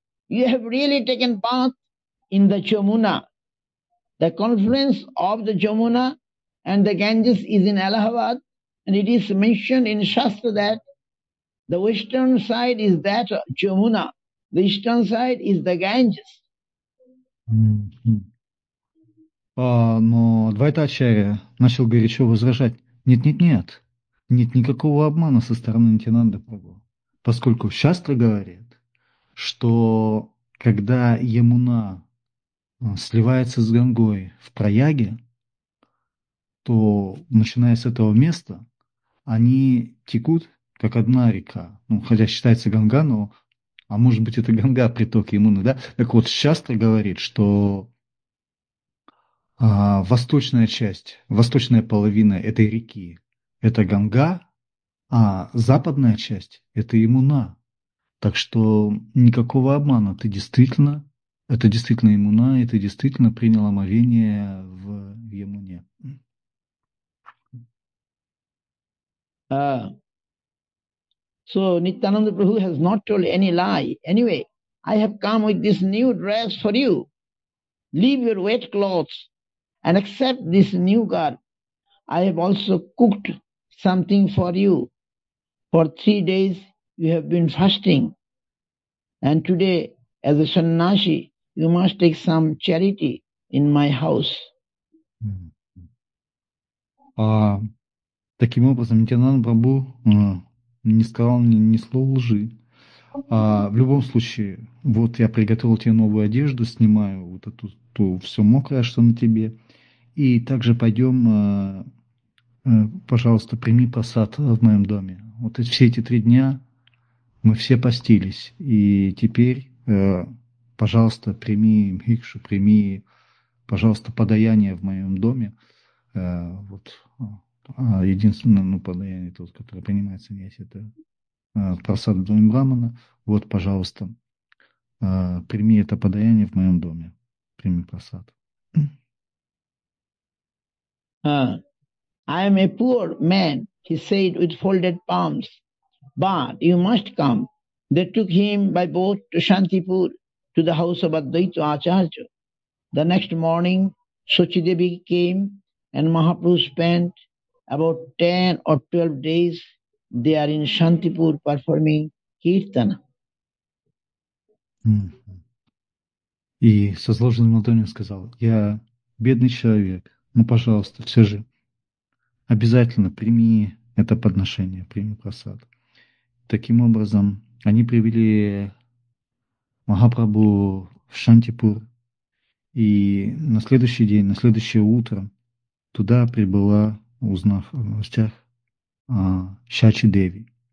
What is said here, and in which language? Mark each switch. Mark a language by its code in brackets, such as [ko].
[en] You have really taken part in the Chamuna. The confluence of the Chamuna and the Ganges is in Allahabad, and it is mentioned in Shastra that the western side is that Chamuna, the eastern side is the Ganges. [ru] Но Адвайта Ачарья начал горячо возражать. Нет-нет-нет, нет никакого обмана со стороны Нитьянанды Прабху, поскольку Шастра говорит, что когда Ямуна сливается с Гангой в Праяге, то, начиная с этого места, они текут, как одна река. Ну, хотя считается Ганга, но... А может быть, это Ганга, приток Ямуны, да? Так вот, Шастра говорит, что восточная часть, восточная половина этой реки – это Ганга, а западная часть – это Ямуна. Так что никакого обмана. Ты действительно, это действительно Ямуна, и ты действительно принял омовение в Ямуне. [en] So Nityananda Prabhu has not told any lie. Anyway, I have come with this new dress for you. Leave your wet clothes and accept this new garb. I have also cooked something for you. For 3 days you have been fasting. And today, as a sannyasi, you must take some charity in my house. [ru] Таким образом, Нитьянанда Прабху не сказал ни слова лжи. В любом случае, вот я приготовил тебе новую одежду, снимаю вот эту ту, все мокрое, что на тебе. И также пойдем, пожалуйста, прими просад в моем доме. Вот все эти 3 дня мы все постились. И теперь, пожалуйста, прими бхикшу, прими, пожалуйста, подаяние в моем доме. Вот. Единственное, ну, подаяние тот, который принимается весь, это просад в доме брахмана. Вот, пожалуйста, прими это подаяние в моем доме. Прими просад. [en] I am a poor man, he said with folded palms, but you must come. They took him by boat to Shantipur, to the house of Advaita Acharya. The next morning, Suchidevi came and Mahaprabhu spent about 10 or 12 days they are in Shantipur performing Kirtana. [ru] И со сложенным ладонью сказал, я бедный человек, ну, пожалуйста, все же обязательно прими это подношение, прими просад. Таким образом, они привели Махапрабху в Шантипур, и на следующий день, на следующее утро туда прибыла, узнав о новостях, Шачи Деви.